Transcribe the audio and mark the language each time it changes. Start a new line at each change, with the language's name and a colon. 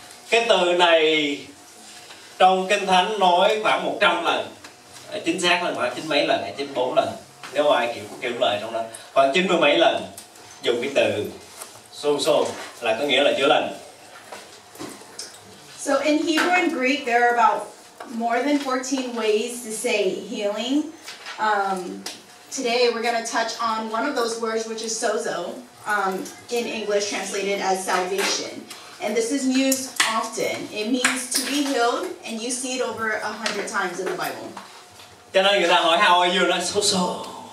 Vietnamese: Cái từ này trong Kinh Thánh nói khoảng 100 lần, chính xác là khoảng 94 lần, nếu ai kiểu lời trong đó, khoảng 90 lần dùng cái từ sozo là có nghĩa là chữa lành.
English: So in Hebrew and Greek there are about more than 14 ways to say healing. Today we're going to touch on one of those words, which is sozo, in English translated as salvation. And this is used often. It means to be healed, and you see it over 100 times in the Bible.
Vietnamese: Cho nên người ta hỏi,
English: how are you? Like,
Vietnamese: sozo.